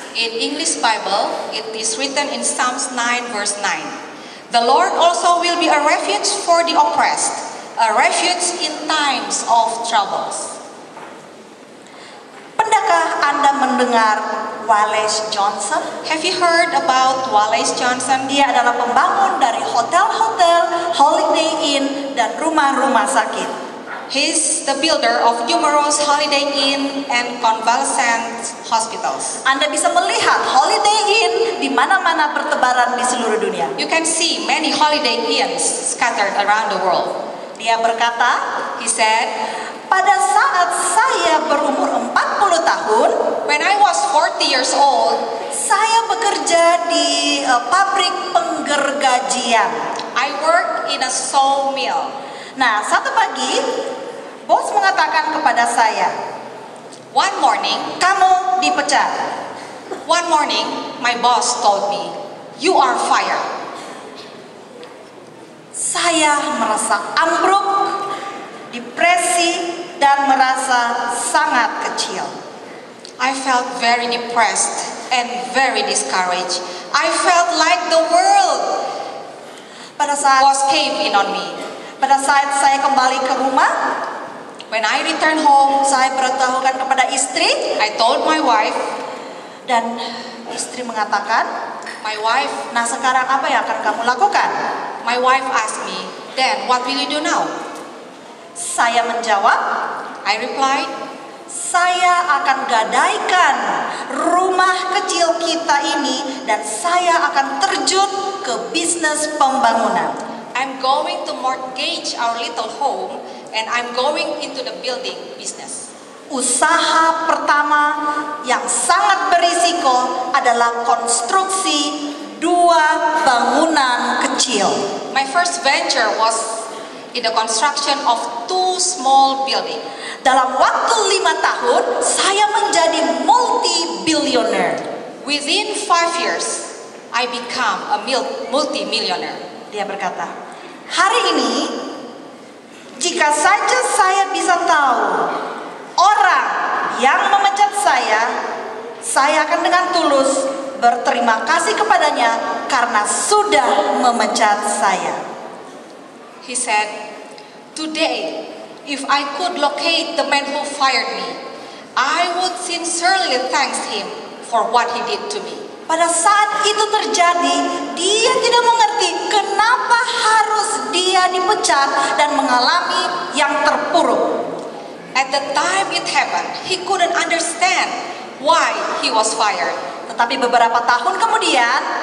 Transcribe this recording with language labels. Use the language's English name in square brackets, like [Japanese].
[English] In English Bible, it is written in Psalms 9 verse 9, the Lord also will be a refuge for the oppressed, a refuge in times of troubles. [Indonesian] Pendakah Anda mendengar Wallace Johnson? [English] Have you heard about Wallace Johnson? [Indonesian] Dia adalah pembangun dari hotel-hotel, Holiday Inn, dan rumah-rumah sakit. [English] He's the builder of numerous Holiday Inn and convalescent hospitals. [Indonesian] Anda bisa melihat Holiday Inn di mana-mana bertebaran di seluruh dunia. [English] You can see many Holiday Inns scattered around the world. [Indonesian] Dia berkata, [English] he said, [Indonesian] pada saat saya berumur 40 tahun, [English] when I was 40 years old, [Indonesian] saya bekerja di pabrik penggergajian. [English] I work in a sawmill. [Indonesian] Nah, satu pagi, bos mengatakan kepada saya, [English] one morning, [Indonesian] kamu dipecat. [English] One morning, my boss told me, you are fired. [Indonesian] Saya merasa ambruk, depresi, dan merasa sangat kecil. [English] I felt very depressed and very discouraged. I felt like the world [Indonesian] pada saat [English] was cave in on me. [Indonesian] Pada saat saya kembali ke rumah, [English] when I return home, [Indonesian] saya beritahukan kepada istri. [English] I told my wife, [Indonesian] dan istri mengatakan, [English] my wife, [Indonesian] nah sekarang apa yang akan kamu lakukan? [English] My wife asked me, then what will you do now? [Indonesian] Saya menjawab, [English] I replied, [Indonesian] saya akan gadaikan rumah kecil kita ini dan saya akan terjun ke bisnis pembangunan. [English] I'm going to mortgage our little home and I'm going into the building business. [Indonesian] Usaha pertama yang sangat berisiko adalah konstruksi dua bangunan kecil. [English] My first venture was in the construction of two small building. [Indonesian] Dalam waktu 5 tahun, saya menjadi multi-billionaire. [English] Within 5 years, I become a multi-millionaire. [Indonesian] Dia berkata, hari ini, jika saja saya bisa tahu orang yang memecat saya akan dengan tulus berterima kasih kepadanya karena sudah memecat saya. [English] He said, today, if I could locate the man who fired me, I would sincerely thank him for what he did to me. [Indonesian] Pada saat itu terjadi, dia tidak mengerti kenapa harus dia dipecat dan mengalami yang terpuruk. [English] At the time it happened, he couldn't understand why he was fired. [Indonesian] Tetapi beberapa tahun kemudian,